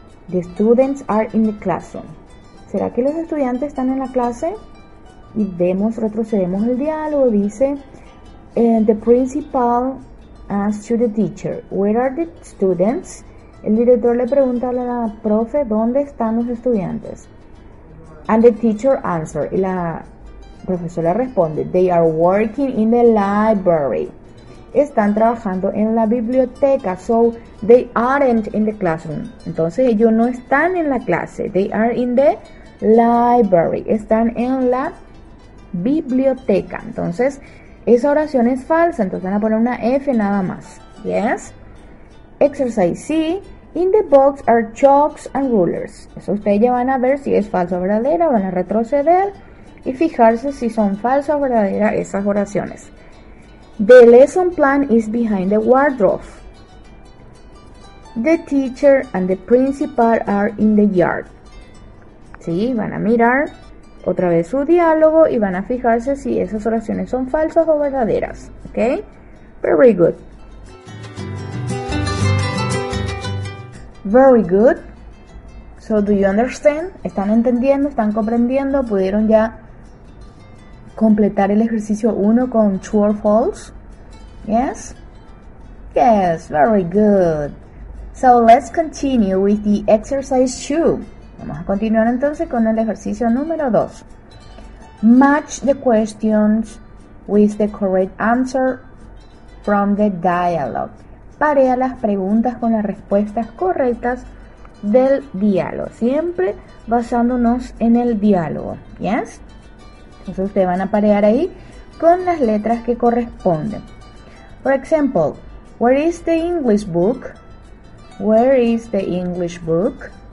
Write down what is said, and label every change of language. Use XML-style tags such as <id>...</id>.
<en>The students are in the classroom.</en> <es>¿Será que los estudiantes están en la clase? Y vemos, retrocedemos el diálogo, dice,</es> <en>the principal asks to the teacher, where are the students?</en> <es>El director le pregunta a la profe, ¿dónde están los estudiantes?</es> <en>And the teacher answers,</en> <es>y la profesora responde,</es> <en>they are working in the library.</en> <es>Están trabajando en la biblioteca,</es> <en>so they aren't in the classroom.</en> <es>Entonces ellos no están en la clase,</es> <en>they are in the library,</en> <es>están en la biblioteca. Entonces esa oración es falsa, entonces van a poner una F nada más.</es> <en>Yes. Exercise C. In the box are chalks and rulers.</en> <es>Eso ustedes ya van a ver si es falsa o verdadera, van a retroceder y fijarse si son falsas o verdaderas esas oraciones.</es> <en>The lesson plan is behind the wardrobe. The teacher and the principal are in the yard.</en> <es>Sí, van a mirar otra vez su diálogo y van a fijarse si esas oraciones son falsas o verdaderas.</es> <en>Ok, very good. Very good. So, do you understand?</en> <es>¿Están entendiendo? ¿Están comprendiendo? ¿Pudieron ya completar el ejercicio 1 con</es> <en>true or false?</en> <es>Yes?</es> <en>Yes, very good. So, let's continue with the exercise 2.</en> <es>Vamos a continuar entonces con el ejercicio número 2.</es> <en>Match the questions with the correct answer from the dialogue.</en> <es>Parea las preguntas con las respuestas correctas del diálogo. Siempre basándonos en el diálogo. ¿Yes? Entonces ustedes van a parear ahí con las letras que corresponden.</es> <en>For example, where is the English book? Where is the English book?</en>